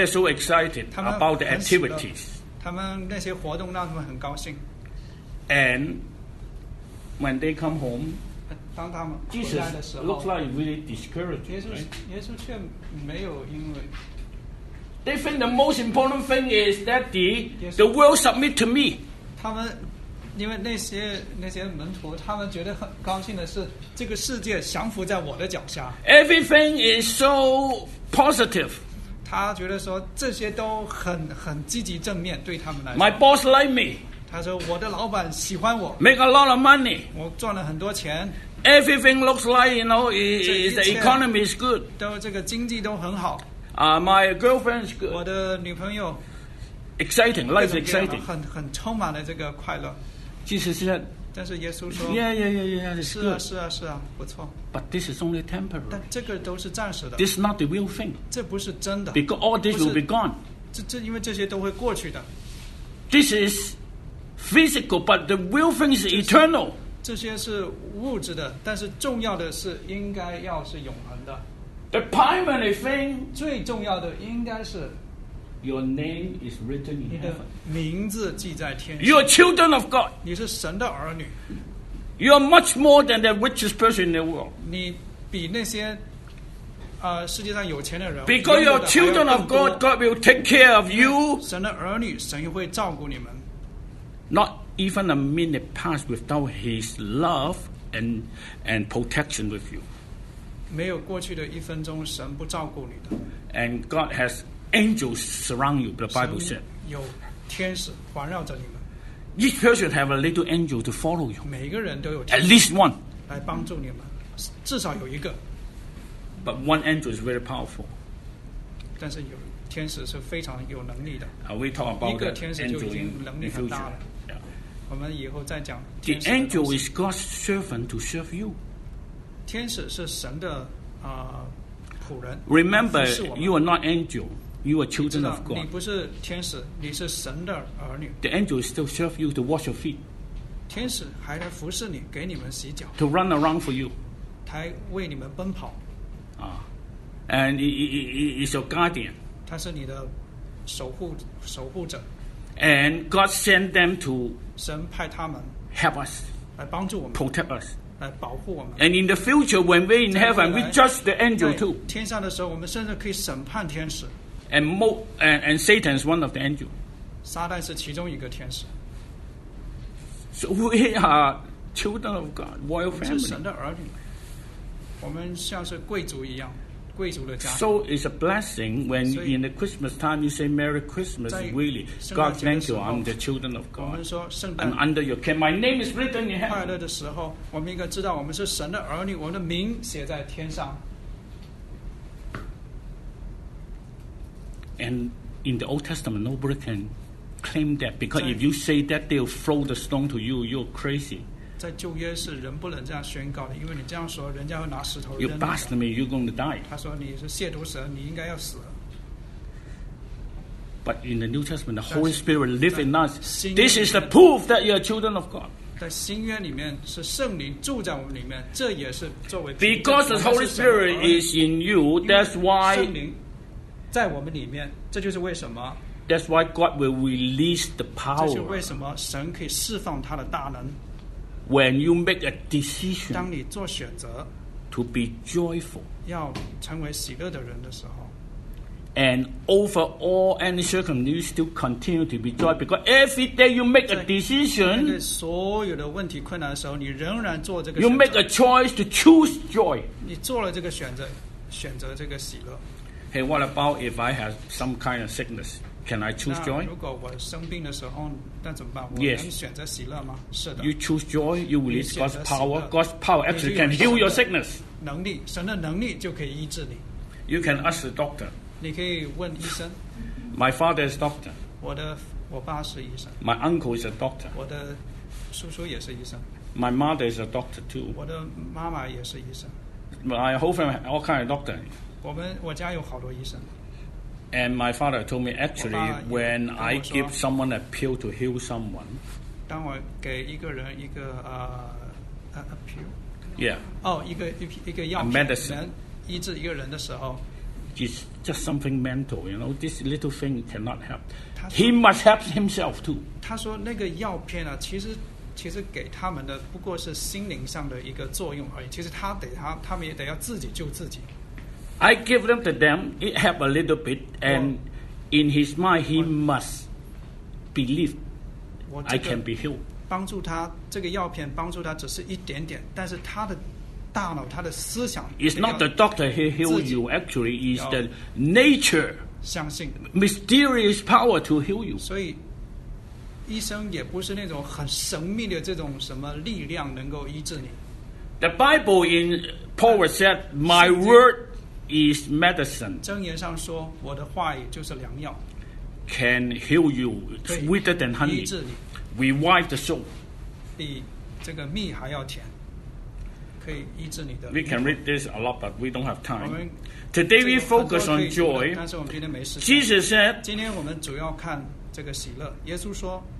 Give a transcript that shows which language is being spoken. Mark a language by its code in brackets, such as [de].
[en] They're so excited about the activities. [zh] 他们那些活动让他们很高兴。 [en] And when they come home, [zh] 当他们回来的时候 [en] Jesus looks like really discouraged. [zh] 耶稣却没有因为 [en] They think the most important thing is that the world submit to me. [zh] 他们因为那些门徒，他们觉得很高兴的是，这个世界降服在我的脚下。 [en] Everything is so positive. [zh] 他觉得说这些都很积极正面，对他们来说。 [en] My boss like me. [zh] 他说：“我的老板喜欢我。 [en] ”Make a lot of money. [zh] 我赚了很多钱。 [en] Everything looks like you know, the economy is good. [zh] 都这个经济都很好。 [en] My girlfriend is good. [zh] 我的女朋友。 [en] Exciting, life is exciting. [zh] 很充满了这个快乐。 [en] Jesus said. [zh] 但是耶稣说。 [en] Yeah, it's good. [zh] 是啊，不错。 [en] But this is only temporary. [zh] 但这个都是暂时的。 [en] This is not the real thing. [zh] 这不是真的。 [en] Because all this will be gone. [zh] 这因为这些都会过去的。 [en] This is. physical, but the real thing is eternal. [zh] 这些是物质的，但是重要的是应该要是永恒的。 [en] The primary thing, [zh] 最重要的应该是 [en] your name is written in heaven. [zh] 你的名字记在天上。 [en] You are children of God. [zh] 你是神的儿女。 [en] You are much more than the richest person in the world. [zh] 你比那些世界上有钱的人。 [en] Because you are children of God, God will take care of you. [zh] 神的儿女，神又会照顾你们。 [en] Not even a minute passed without His love and protection with you. [zh] 没有过去的一分钟，神不照顾你的。 [en] And God has angels surround you. The Bible said. [zh] 有天使环绕着你们。 [en] Each person have a little angel to follow you. [zh] 每个人都有。 [en] At least one. [zh] 来帮助你们，至少有一个。 [en] But one angel is very powerful. [zh] 但是有天使是非常有能力的。 [en] We talk about [zh] 一个天使就已经能力很大了。 [en] Yeah. [zh] 我们以后再讲。 [en] The angel is God's servant to serve you. [zh] 天使是神的仆人。 [en] Remember, you are not angel. You are children of God. [zh] 你不是天使，你是神的儿女。 [en] The angel is still serve you to wash your feet. [zh] 天使还来服侍你，给你们洗脚。 [en] To run around for you. [zh] 他为你们奔跑。 [en] And he's your guardian. [zh] 他是你的守护者。 [en] And God sent them to [zh] 神派他们 [en] help us [zh] 来帮助我们 [en] protect us [zh] 来保护我们。 [en] And in the future, when we're in heaven, we judge the angel too. [zh] 天上的时候，我们甚至可以审判天使。 [en] And Satan is one of the angels. [zh] 撒旦是其中一个天使。 [en] So we are children of God, royal family. [zh] 我们是神的儿女。我们像是贵族一样。 [en] So it's a blessing when in the Christmas time you say Merry Christmas, really. God, thank you. I'm the children of God. I'm under your care. My name is written in heaven. [zh] 快乐的时候，我们应该知道我们是神的儿女，我们的名写在天上。 [en] And in the Old Testament, nobody can claim that because if you say that, they'll throw the stone to you. You're crazy. [zh] 在旧约是人不能这样宣告的，因为你这样说，人家会拿石头扔你。 [en] You blaspheme, you're going to die. [zh] 他说你是亵渎神，你应该要死。 [en] But in the New Testament, the Holy Spirit lives in us. This is the proof that you are children of God. [zh] 在新约里面是圣灵住在我们里面，这也是作为。 [en] Because the Holy Spirit is in you, that's why. [zh] 圣灵在我们里面，这就是为什么。 [en] That's why God will release the power. [zh] 这是为什么神可以释放他的大能。 [en] When you make a decision, [zh] 当你做选择 [en] to be joyful, [zh] 要成为喜乐的人的时候 [en] and over all any circumstances, you still continue to be joyful because every day you make a decision, [zh] 在所有的问题困难的时候，你仍然做这个。 [en] You make a choice to choose joy. [zh] 你做了这个选择，选择这个喜乐。 [en] Hey, what about if I have some kind of sickness? Can I choose joy? [zh] 如果我生病的时候。 [en] Yes. [zh] 选择喜乐吗？是的。 [en] You choose joy, you will lose God's power. God's power actually can heal your sickness. [zh] 能力，神的能力就可以医治你。 [en] You can ask the doctor. [zh] 你可以问医生。 [en] My father is doctor. [zh] 我爸是医生。 [en] My uncle is a doctor. [zh] 我的叔叔也是医生。 [en] My mother is a doctor too. [zh] 我的妈妈也是医生。 [en] My whole family all kind of doctor. [zh] 我家有好多医生。 [en] And my father told me, actually, when I give someone a pill to heal someone, [zh] 当我给一个人一个 [en] a pill, yeah, [zh] 一个药品 [en] a medicine, [zh] 医治一个人的时候 [en] it's just something mental, you know, this little thing cannot help. He must help himself too. [zh] 他说那个药片啊，其实给他们的不过是心灵上的一个作用而已。其实他们也得要自己救自己。 [en] I give them to them, it helped a little bit, and in his mind, he must believe I can be healed. [zh] 帮助他，这个药片帮助他只是一点点，但是他的大脑，他的思想。 [en] It's not the doctor who healed you, actually, it's the nature, [zh] 相信 [en] mysterious power to heal you. [zh] 所以医生也不是那种很神秘的这种什么力量能够医治你。 [en] The Bible in Paul said, my word is medicine. [zh] 箴言上说，我的话语就是良药。 [en] Can heal you, sweeter than honey. [zh] 医治你。 [en] Revive the soul. [zh] 比这个蜜还要甜。可以医治你的。 [en] We can read this a lot, but we don't have time. Today we focus on joy. [zh] 但是我们今天没时间。 [en] Jesus said, [zh] 今天我们主要看这个喜乐。耶稣说。